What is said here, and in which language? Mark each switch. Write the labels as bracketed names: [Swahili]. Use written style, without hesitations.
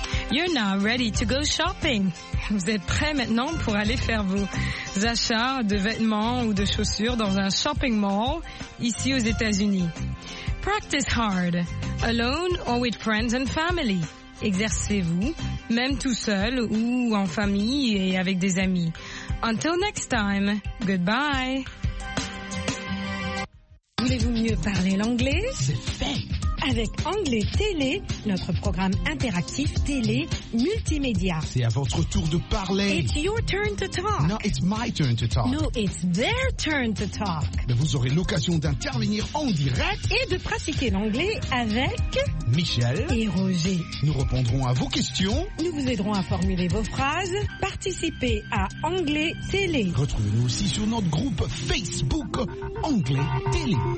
[English] You're now ready to go shopping. [French] Vous êtes prêt maintenant pour aller faire vos achats de vêtements ou de chaussures dans un shopping mall ici aux États-Unis. [English] Practice hard, alone or with friends and family. [French] Exercez-vous, même tout seul ou en famille et avec des amis. [English] Until next time, goodbye. [French] Voulez-vous mieux parler l'anglais? C'est fait! Avec Anglais Télé, notre programme interactif télé multimédia. C'est à votre tour de parler. [English] It's your turn to talk. No, it's my turn to talk. No, it's their turn to talk. [French] Mais vous aurez l'occasion d'intervenir en direct et de pratiquer l'anglais avec Michel et Roger. Nous répondrons à vos questions. Nous vous aiderons à formuler vos phrases. Participez à Anglais Télé. Retrouvez-nous aussi sur notre groupe Facebook Anglais Télé.